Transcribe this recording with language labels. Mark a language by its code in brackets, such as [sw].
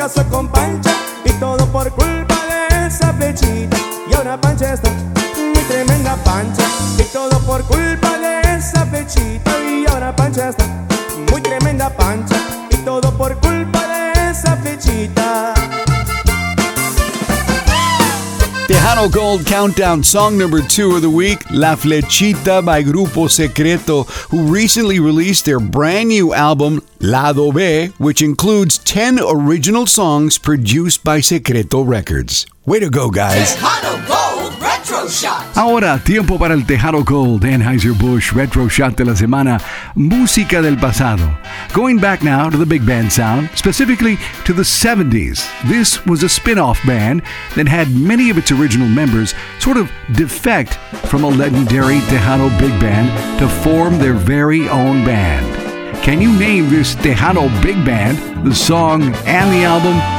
[es] Con Pancha y todo por culpa de esa flechita. Y ahora la pancha está muy tremenda pancha. Y todo por culpa de esa pechita. Y ahora pancha está muy tremenda pancha. Y todo por culpa de esa pechita. [en] Tejano Gold Countdown, song number 2 of the week, La Flechita by Grupo Secreto, who recently released their brand new album, Lado B, which includes 10 original songs produced by Secreto Records. Way to go, guys. Tejano Gold Retro Shot. [es] Ahora, tiempo para el Tejano Gold, Anheuser-Busch Retro Shot de la semana, música del pasado. [en] Going back now to the big band sound, specifically to the 70s, this was a spin-off band that had many of its original members sort of defect from a legendary Tejano big band to form their very own band. Can you name this Tejano big band, the song and the album?